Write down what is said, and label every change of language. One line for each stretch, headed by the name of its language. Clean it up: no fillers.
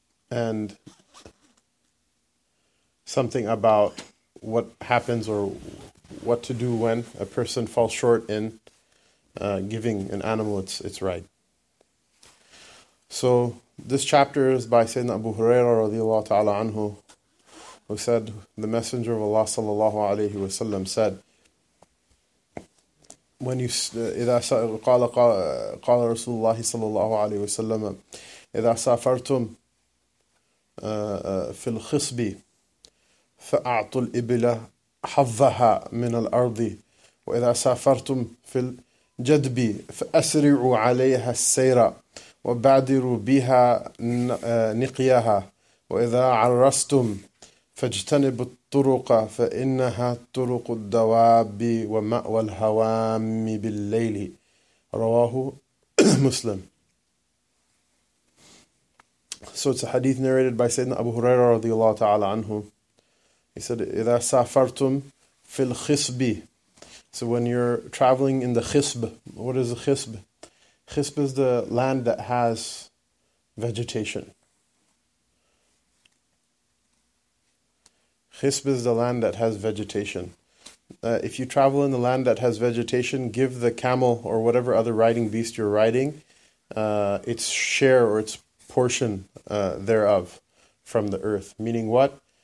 English: And something about what happens or what to do when a person falls short in giving an animal its right. So this chapter is by Sayyidina Abu Huraira radiallahu ta'ala anhu, who said, the Messenger of Allah sallallahu alayhi wa sallam said,
Arabic: when you إِذَا قَالَ قَالَ رَسُولُ اللَّهِ صَلَّى اللَّهُ عَلَيْهِ وَسَلَّمَ إِذَا سَافَرْتُمْ فِي الْخِصْبِ فَأَعْطُوا الْإِبِلَ حَظَّهَا مِنَ الْأَرْضِ وَإِذَا سَافَرْتُمْ فِي الْجَدْبِ فَأَسْرِعُوا عَلَيْهَا السَّيْرَ وبادروا بها نقيها وإذا عرستم فاجتنبوا الطرق فإنها طرق الدواب ومأوى الهوام بالليل. رواه مسلم. So it's a hadith narrated by Sayyidina Abu Huraira
English: رضي الله تعالى عنه.
Arabic: He said, إذا سافرتم في الخصب.
English: So when you're traveling in the خصب, what is the خصب? Khisb is the land that has vegetation. Khisb is the land that has vegetation. If you travel in the land that has vegetation, give the camel or whatever other riding beast you're riding its share or its portion thereof from the earth. Meaning what?